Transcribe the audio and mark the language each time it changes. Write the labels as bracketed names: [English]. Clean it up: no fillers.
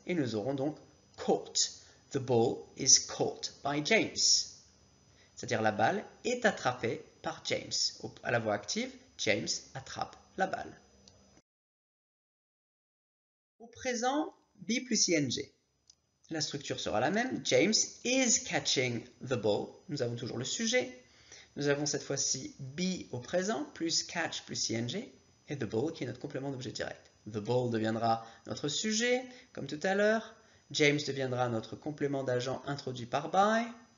[French] Et nous aurons donc [English] « caught. The ball is caught by James. » [French] c'est-à-dire la balle, est attrapée par James. À la voix active, James attrape la balle. Au présent, be plus ing. La structure sera la même. [English] James is catching the ball. [French] Nous avons toujours le sujet. Nous avons cette fois-ci be au présent, plus catch, plus ing, et the ball qui est notre complément d'objet direct. The ball deviendra notre sujet, comme tout à l'heure. James deviendra notre complément d'agent introduit par by.